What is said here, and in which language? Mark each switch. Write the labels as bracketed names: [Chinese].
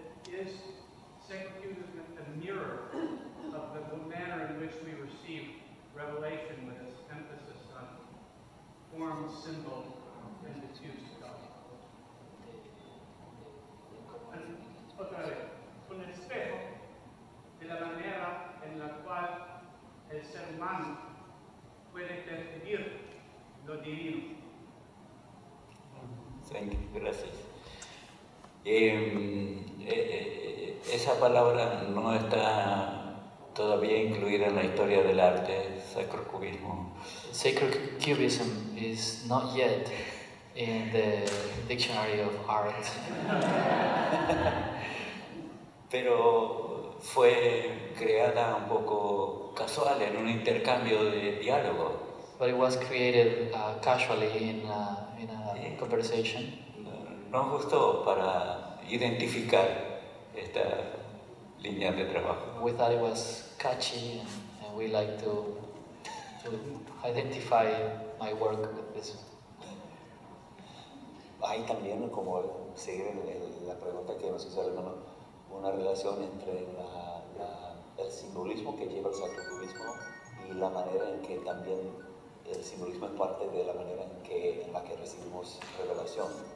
[English] Is Syncretism a mirror of the manner in which we receive revelation with its emphasis on form, symbol, and its use to God? [Spanish] Otra vez, un espejo de la manera en la cual el ser humano puede percibir lo divino. [English] Thank you, [Spanish] gracias. Esa palabra no está todavía incluida en la historia del arte, sacro cubismo. [English] Sacro cubism is not yet in the dictionary of art. [Spanish] Pero fue creada un poco casual en un intercambio de diálogo. [English] But it was created casually in a conversation. [Spanish] No gustó para identificar esta línea de trabajo. [English] We thought it was catchy and we like to identify my work with this. [Spanish] Hay también, como seguir la pregunta que nos hizo el hermano, una relación entre el simbolismo que lleva el sacro cubismo y la manera en que también el simbolismo es parte de la manera en la que recibimos revelación.